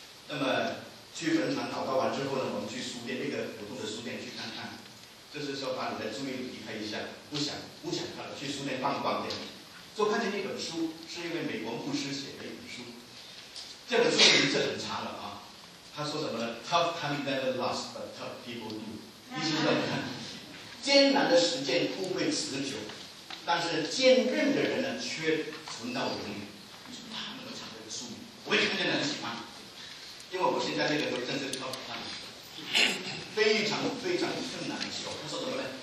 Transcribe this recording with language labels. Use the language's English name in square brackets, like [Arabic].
[Chinese] 那么去坟场祷告完之后呢，我们去书店，那个普通的书店去看看，就是说把你的注意离开一下，不想看了，去书店逛逛点。就看见那本书，是一位美国牧师写的一本书，这本书名字很长了啊。他说什么呢 [English] ？Tough time never lasts, but tough people do。 [Chinese] 意思是什么？艰难的时间不会持久，但是坚韧的人呢，却存到永远。你说他那么长的书名，我也看见很喜欢，因为我现在这个正是 tough time， 非常非常困难的时候。他说什么呢？